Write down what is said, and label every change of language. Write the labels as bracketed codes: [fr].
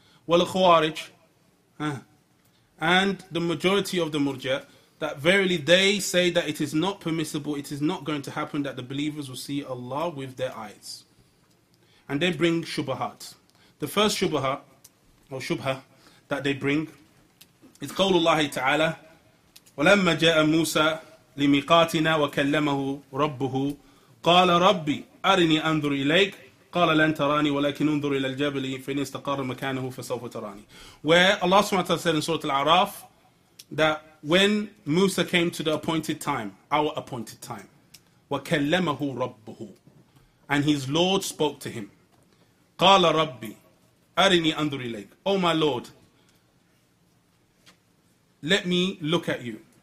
[en] Wal Khawarij. And the majority of the Murji'ah, that verily they say that it is not permissible, it is not going to happen that the believers will see Allah with their eyes. And they bring Shubahat. The first Shubahat, or Shubha, that they bring is Qawlullah Ta'ala. [ar] ولما جاء موسى لميقاتنا وكلمه ربه قال ربي أرني أنظر إليك قال لن تراني ولكن انظر إلى الجبل فإن استقر مكانه فسوف تراني. [en] Where Allah subhanahu wa ta'ala said in Surah Al-Araf that when Musa came to the appointed time, our appointed time, [ar] وكلمه ربه, [en] and his Lord spoke to him, [ar] قال ربي أرني أنظر إليك, [en] oh my Lord, let me look at you.